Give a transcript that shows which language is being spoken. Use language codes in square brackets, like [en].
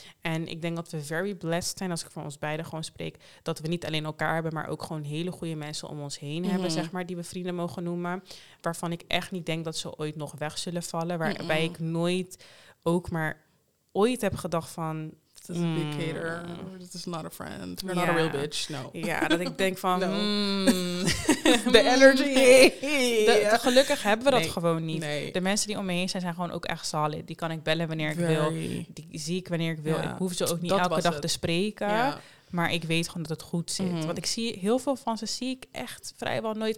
[nl] En ik denk dat we [en] very blessed [nl] zijn, als ik van ons beiden gewoon spreek, dat we niet alleen elkaar hebben, maar ook gewoon hele goede mensen om ons heen hebben, zeg maar, die we vrienden mogen noemen, waarvan ik echt niet denk dat ze ooit nog weg zullen vallen, waarbij ik nooit ook maar ooit heb gedacht van, [en] this is a big hater, this is not a friend, we're not a real bitch, no. [nl] Ja, dat ik denk van, [en] the energy. [nl] Gelukkig hebben we dat gewoon niet. Nee. De mensen die om me heen zijn gewoon ook echt solid. Die kan ik bellen wanneer ik wil. Die zie ik wanneer ik wil. Ja. Ik hoef ze ook niet elke dag te spreken. Ja. Maar ik weet gewoon dat het goed zit. Mm-hmm. Want ik zie heel veel van ze zie ik echt vrijwel nooit.